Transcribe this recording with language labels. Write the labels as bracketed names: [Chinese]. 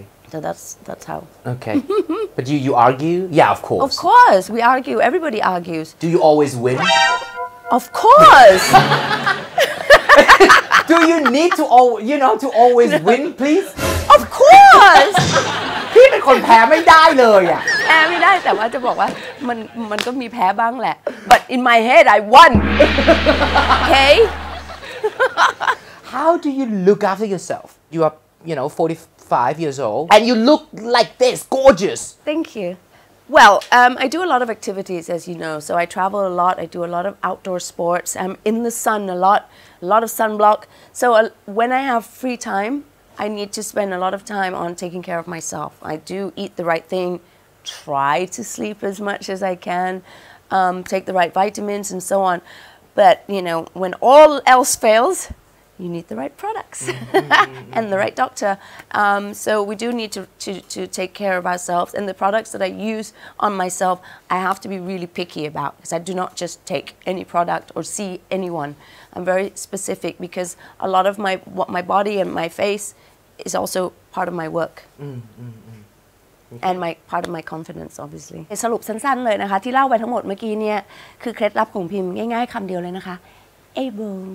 [English] So that's how. Okay. But you argue? Yeah, of course. Of course. We argue. Everybody argues. Do you always win? Of course. Do you need to, all, you know, to always win, please? Of course. [Thai] พี่เป็นคนแพ้ไม่ได้เลยอ่ะ แพ้ไม่ได้แต่ว่าจะบอกว่ามันก็มีแพ้บ้างแหละ [English] but in my head I won okay how do you look after yourself you are you know 45 years old and you look like this gorgeous thank you well I do a lot of activities as you know so I travel a lot I do a lot of outdoor sports I'm in the sun a lot of sunblock so when I have free timeI need to spend a lot of time on taking care of myself. I do eat the right thing, try to sleep as much as I can, take the right vitamins and so on. But, you know, when all else fails, you need the right products and the right doctor. So we do need to take care of ourselves. And the products that I use on myself, I have to be really picky about because I do not just take any product or see anyone. I'm very specific because a lot of my body and my face,is also part of my work and my part of my confidence obviously [Thai] สรุปสั้นๆเลยนะคะที่เล่าไปทั้งหมดเมื่อกี้เนี่ยคือเคล็ดลับของพิมพ์ง่ายๆคำเดียวเลยนะคะ [English] able